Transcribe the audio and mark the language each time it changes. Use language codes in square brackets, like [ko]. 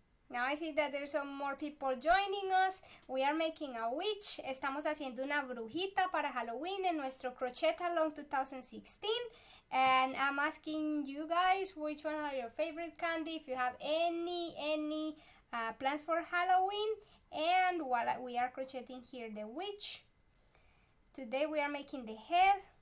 [en] Now I see that there's some more people joining us. We are making a witch. [es] Estamos haciendo una brujita para Halloween en nuestro Crochet Along 2016. [en] And I'm asking you guys which one are your favorite candy, if you have any plans for Halloween. And while we are crocheting here the witch, today we are making the head.